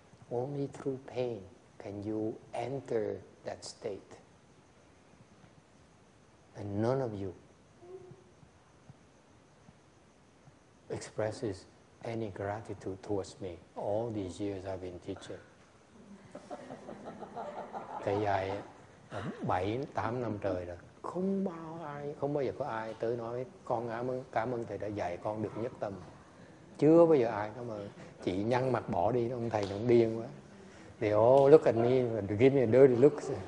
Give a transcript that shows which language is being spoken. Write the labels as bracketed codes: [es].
[en] Only through pain can you enter that state. And none of you expresses any gratitude towards me all these years I've been teaching. [vi] Thầy dạy 7-8 năm trời rồi, không bao giờ có ai tới nói con cảm ơn thầy đã dạy con được nhất tâm. Chưa bao giờ ai cảm ơn. Chị nhăn mặt bỏ đi, ông thầy nó điên quá. [en] They all look at me and give me a dirty look.